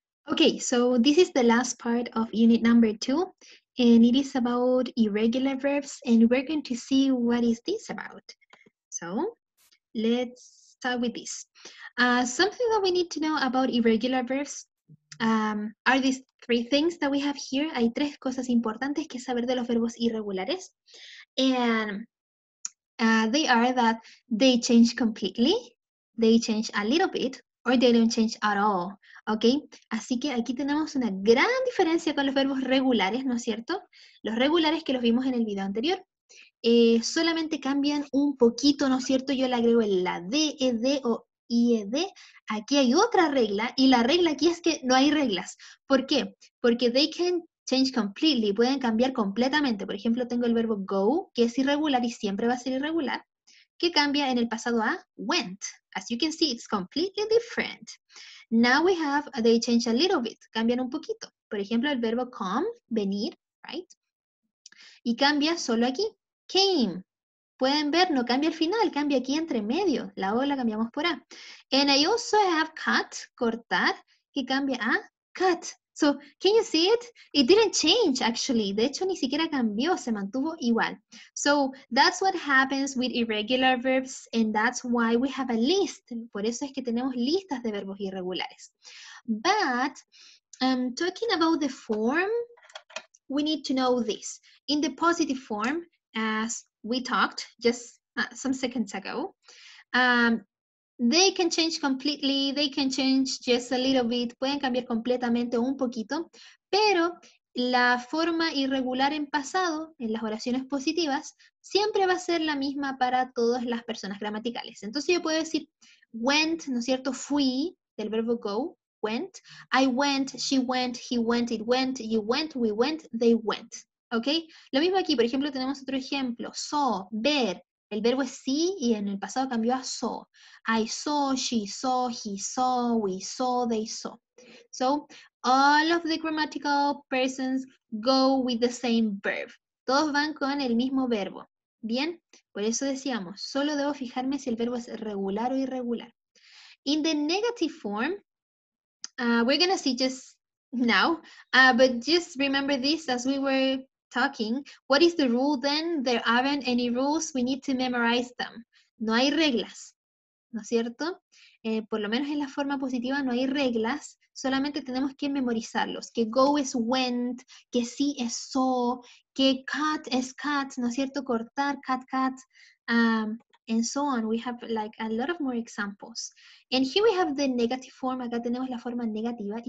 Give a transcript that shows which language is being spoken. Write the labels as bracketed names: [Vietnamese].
[English] Okay, so this is the last part of unit number 2, and it is about irregular verbs, and we're going to see what is this about. So let's start with this. Something that we need to know about irregular verbs are these three things that we have here. [Spanish] Hay tres cosas importantes que saber de los verbos irregulares. [English] And they are that they change completely, they change a little bit, or they don't change at all, ¿ok? [Spanish] Así que aquí tenemos una gran diferencia con los verbos regulares, ¿no es cierto? Los regulares que los vimos en el video anterior, solamente cambian un poquito, ¿no es cierto? Yo le agrego el la D, ED o IED. Aquí hay otra regla, y la regla aquí es que no hay reglas. ¿Por qué? Porque [English] they can change completely, [Spanish] pueden cambiar completamente. Por ejemplo, tengo el verbo go, que es irregular y siempre va a ser irregular, que cambia en el pasado a went. [English] As you can see, it's completely different. Now we have, they change a little bit, [Spanish] cambian un poquito. Por ejemplo, el verbo come, venir, right? Y cambia solo aquí, came. Pueden ver, no cambia al final, cambia aquí entre medio. La O la cambiamos por A. [English] And I also have cut, cortar, [Spanish] que cambia a [English] cut. So, can you see it? It didn't change, actually. [Spanish] De hecho, ni siquiera cambió, se mantuvo igual. [English] So, that's what happens with irregular verbs, and that's why we have a list. [Spanish] Por eso es que tenemos listas de verbos irregulares. [English] But, talking about the form, we need to know this. In the positive form, as we talked just some seconds ago, they can change completely, they can change just a little bit, [Spanish] pueden cambiar completamente o un poquito, pero la forma irregular en pasado, en las oraciones positivas, siempre va a ser la misma para todas las personas gramaticales. Entonces yo puedo decir, went, ¿no es cierto? Fui, del verbo [English] go, went, I went, she went, he went, it went, you went, we went, they went. ¿Ok? [Spanish] Lo mismo aquí, por ejemplo, tenemos otro ejemplo, saw, ver. El verbo es see y en el pasado cambió a saw. [English] I saw, she saw, he saw, we saw, they saw. So, all of the grammatical persons go with the same verb. [Spanish] Todos van con el mismo verbo. Bien, por eso decíamos, solo debo fijarme si el verbo es regular o irregular. [English] In the negative form, we're going to see just now, but just remember this as we were talking, what is the rule then? There aren't any rules, we need to memorize them. [Spanish] No hay reglas, ¿no es cierto? Por lo menos en la forma positiva no hay reglas, solamente tenemos que memorizarlos. Que go es went, que see es saw, que cut es cut, ¿no es cierto? [English] Cortar, cut, cut, and so on. We have like a lot of more examples. And here we have the negative form, [Spanish] acá tenemos la forma negativa.